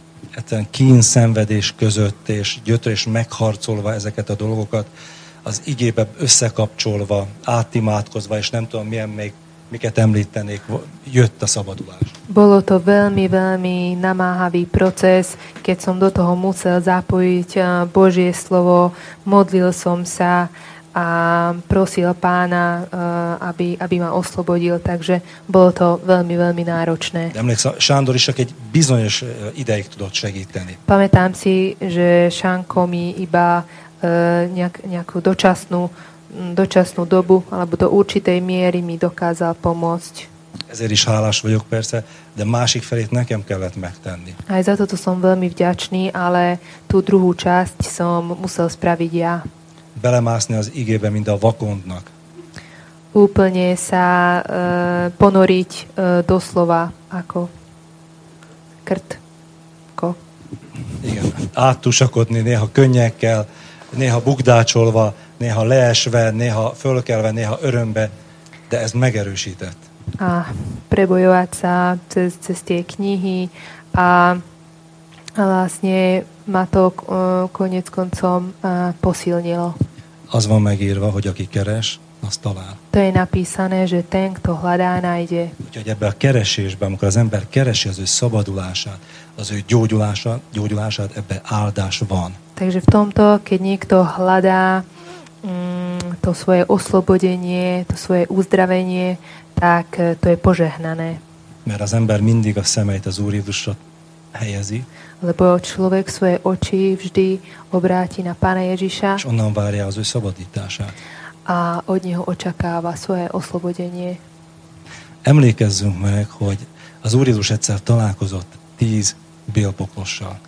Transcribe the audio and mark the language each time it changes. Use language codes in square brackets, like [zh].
[hu] Ezen kín szenvedés között, és gyötrés megharcolva ezeket a dolgokat, az igébe összekapcsolva, átimádkozva, és nem tudom, milyen még, miket említenék, jött a szabadulás. [sk] Bolo to veľmi, veľmi namáhavý proces, keď som do toho musel zapojiť Božie slovo, modlil som sa a prosil Pána, aby ma oslobodil, takže bolo to veľmi, veľmi náročné. [hu] Emlékszem, Sándor is egy bizonyos ideig tudott segíteni. [sk] Pamätám si, že Sánko mi iba nejakú dočasnú dobu alebo do určitej miery mi dokázal pomôcť. [hu] Ezért is hálás vagyok persze, de másik felét nekem kellett megtenni. [sk] Aj za toto som veľmi vďačný, ale tú druhú časť som musel spraviť ja. [hu] Belemászni az igébe, mint a vakondnak. [sk] Úplne sa ponoriť doslova ako krtko. [hu] Igen, átusakodni néha könnyekkel, néha bukdácsolva, néha leesve, néha fölkelve, néha örömbe, de ez megerősített. [sk] A prebojovať sa cez tie knihy a vlastne ma to koniec koncom posilnilo. [hu] Az van megírva, hogy aki keres, az talál. [sk] To je napísané, že ten, kto hľadá, nájde. [hu] Úgyhogy ebben a keresésben, amikor az ember keresi az ő szabadulását, az ő gyógyulását, ebben áldás van. [sk] Takže v tomto, keď niekto hľadá to svoje oslobodenie, to svoje uzdravenie, tak to je požehnané. [hu] Mert az ember mindig a szemeit az Úr Jézusra helyezi. [sk] Lebo človek svoje oči vždy obráti na Pána Ježiša. [hu] És onnan várja az ő szabadítását. [sk] A od neho očakáva svoje oslobodenie. [hu] Emlékezzünk meg, hogy az Úr Jézus egyszer találkozott 10 bélpoklossal.